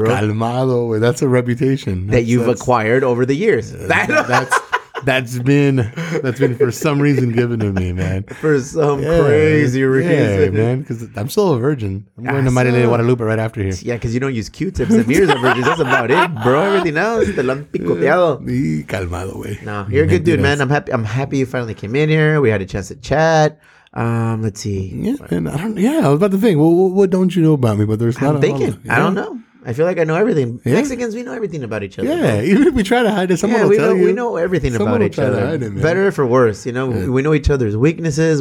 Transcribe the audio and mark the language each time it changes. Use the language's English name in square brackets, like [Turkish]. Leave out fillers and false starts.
[Spanish] No, calmado. [English] That's a reputation. That's acquired over the years. That's been for some reason given to me, man. For some crazy reason. Yeah, man, because I'm still a virgin. I'm going to Marilena Guadalupe right after here. Yeah, because you don't use Q-tips. If you're a virgin, that's about it, bro. Everything else, [Spanish] te lo han picoteado. Calmado, güey. [English] No, you're a good dude, man. I'm happy you finally came in here. We had a chance to chat. Let's see. Yeah, and I was about to think, what don't you know about me? But there's not I don't know. I feel like I know everything. Yeah. Mexicans, we know everything about each other. Yeah, even if we try to hide it, someone will tell you. We know everything about each other. Better or for worse, you know, we know each other's weaknesses.